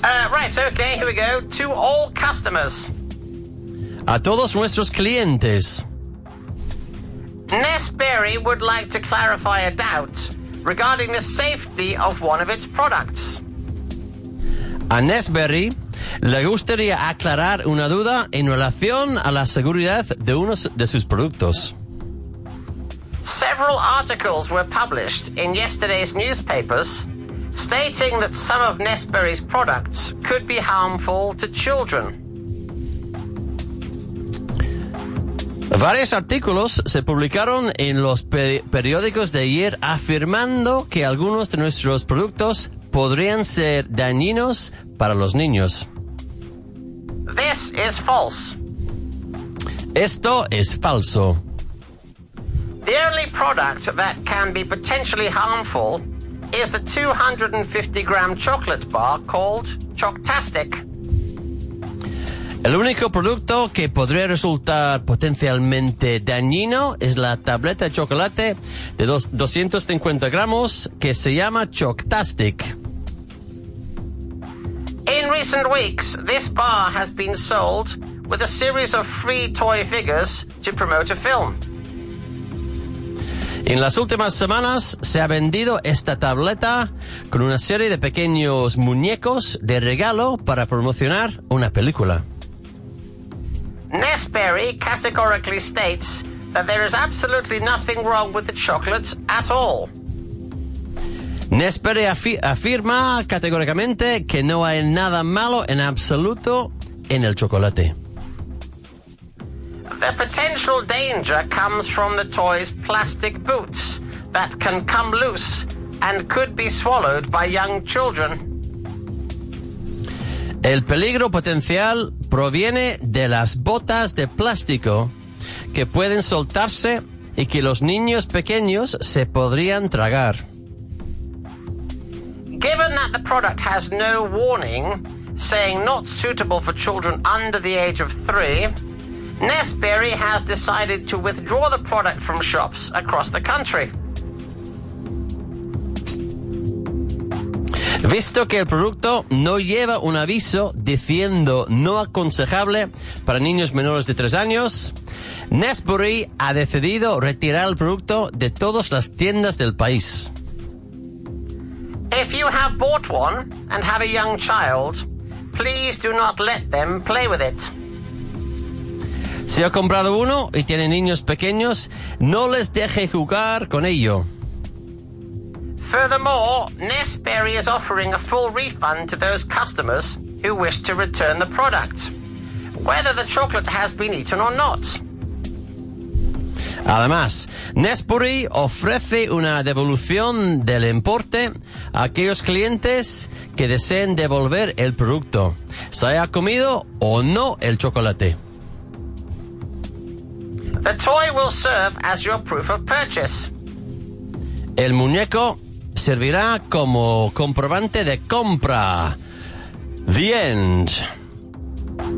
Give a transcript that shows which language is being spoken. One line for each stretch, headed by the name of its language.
English: Right, okay, here we go. To all customers.
Spanish: A todos nuestros clientes.
English: Nesbury would like to clarify a doubt regarding the safety of one of its products.
Spanish: A Nesbury le gustaría aclarar una duda en relación a la seguridad de uno de sus productos.
English: Several articles were published in yesterday's newspapers stating that some of Nesbury's products could be harmful to children.
Spanish: Varios artículos se publicaron en los periódicos de ayer afirmando que algunos de nuestros productos podrían ser dañinos para los niños.
English: This is false.
Spanish: Esto es falso.
English: The only product that can be potentially harmful is the 250-gram chocolate bar called Choctastic.
Spanish: El único producto que podría resultar potencialmente dañino es la tableta de chocolate de 250 gramos que se llama Choctastic.
English: In recent weeks, this bar has been sold with a series of free toy figures to promote a film.
Spanish: En las últimas semanas se ha vendido esta tableta con una serie de pequeños muñecos de regalo para promocionar una película.
English: Nesberry categorically states that there is absolutely nothing wrong with the chocolate at all.
Spanish: Nesberry afirma categóricamente que no hay nada malo en absoluto en el chocolate.
English: The potential danger comes from the toy's plastic boots that can come loose and could be swallowed by young children.
Spanish: El peligro potencial proviene de las botas de plástico que pueden soltarse y que los niños pequeños se podrían tragar.
English: Given that the product has no warning saying not suitable for children under the age of 3, Nesberry has decided to withdraw the product from shops across the country.
Spanish: Visto que el producto no lleva un aviso diciendo no aconsejable para niños menores de 3 años, Nesberry ha decidido retirar el producto de todas las tiendas del país.
English: If you have bought one and have a young child, please do not let them play with it.
Spanish: Si ha comprado uno y tiene niños pequeños, no les deje jugar con ello.
English: Furthermore, Nesberry is offering a full refund to those customers who wish to return the product, whether the chocolate has been eaten or not.
Spanish: Además, Nesberry ofrece una devolución del importe a aquellos clientes que deseen devolver el producto, se haya comido o no el chocolate.
English: The toy will serve as your proof of purchase.
Spanish: El muñeco servirá como comprobante de compra.
English: The end.